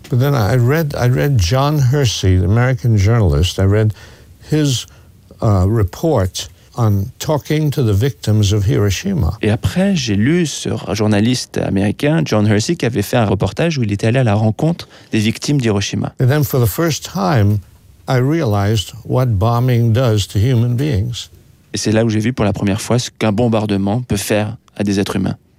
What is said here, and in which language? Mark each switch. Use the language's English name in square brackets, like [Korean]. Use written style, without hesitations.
[English] But then I read John Hersey, the American journalist. I read his report on talking to the victims of Hiroshima. [French] Et après, j'ai lu sur un journaliste américain, John Hersey, qui avait fait un reportage où il était allé à la rencontre des victimes d'Hiroshima. [English] And then for the first time, I realized what bombing does to human beings. [French] Et c'est là où j'ai vu pour la première fois ce qu'un bombardement peut faire à des êtres humains.